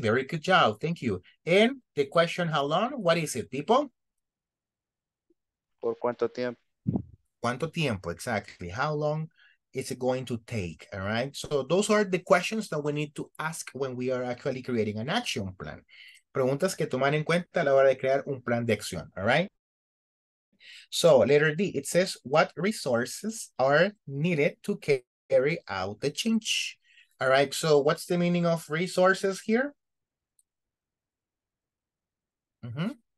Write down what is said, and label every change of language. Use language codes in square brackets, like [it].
[en] Very good job, thank you. And the question, how long? What is it, people? [es] Por cuánto tiempo. Cuánto tiempo, [en] exactly. How long is it going to take, all right? So those are the questions that we need to ask when we are actually creating an action plan. [es] Preguntas que toman en cuenta a la hora de crear un plan de acción, [en] all right? So letter D, it says, what resources are needed to carry out the change? All right, so what's the meaning of resources here? Mm-hmm.